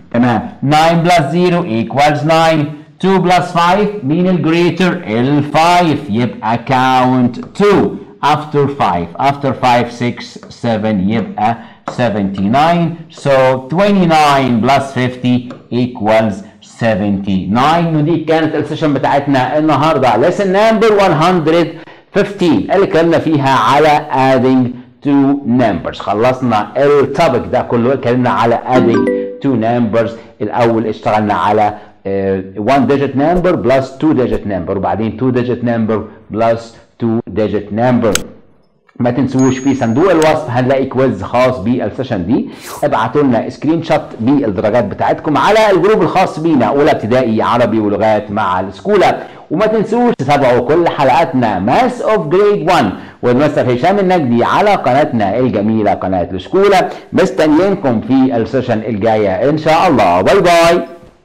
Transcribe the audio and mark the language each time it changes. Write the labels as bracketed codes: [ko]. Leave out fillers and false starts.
[en] تمام. 9 plus 0 equals 9. 2 plus 5 mean the greater ال 5 يبقى count 2 after 5 after 5 6 7 يبقى 79. so 29 plus 50 equals 79. [ar] ودي كانت السيشن بتاعتنا النهارده [en] lesson number 115 [ar] اللي اتكلمنا فيها على [en] adding two numbers. [ar] خلصنا التوبك ده كله اتكلمنا على [en] adding two numbers. [ar] الاول اشتغلنا على [en] one digit number plus two digit number [ar] وبعدين [en] two digit number plus two digit number. [ar] ما تنسوش في صندوق الوصف هنلاقي كويز خاص بالسيشن دي. ابعتوا لنا سكرين شوت بالدرجات بتاعتكم على الجروب الخاص بينا اولى ابتدائي عربي ولغات مع الاسكولة. وما تنسوش تتابعوا كل حلقاتنا ماس اوف جريد 1 والمستر هشام النجدي على قناتنا الجميله قناه الاسكولة. مستنيينكم في السيشن الجايه ان شاء الله. باي باي.